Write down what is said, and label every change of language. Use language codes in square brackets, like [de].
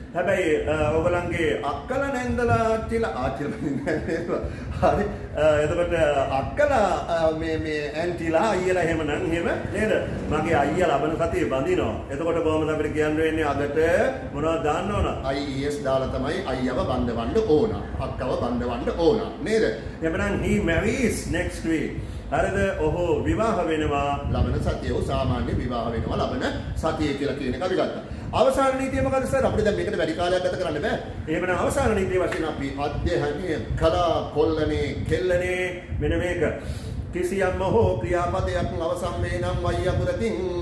[si] හැබැයි ඔයගලන්ගේ අක්කල නැන්දලා කියලා ආචිල බඳින්නේ හරි. එතකොට අක්කල මේ ඇන්ටිලා අයියලා එහෙම නම් එහෙම නේද? මගේ අයියා ලබන සතියේ බඳිනවා. එතකොට කොහමද අපිට කියන්න වෙන්නේ අදට මොනවද දාන්න ඕන? IES දාලා තමයි අයියව බඳවන්න ඕන. අක්කව බඳවන්න ඕන. නේද? එහෙමනම් [en] he marries next week. [si] හරිද? ඔහු විවාහ වෙනවා ලබන සතිය. ඔහු සාමාන්‍ය විවාහ වෙනවා ලබන සතිය කියලා කියන එක අපි ගත්තා. අවසාන නීතිය මොකද සර්? අපිට දැන් මේකට වැඩි කාලයක් ගත කරන්න බෑ. එහෙමනම් අවසාන නීතිය වශයෙන් අපි අධ්‍යයනය කළා කොල්ලනේ කෙල්ලනේ මෙන්න මේක. කිසියම්ම හෝ ක්‍රියාපදයක් අවසන් වේ නම් Y අකුරකින්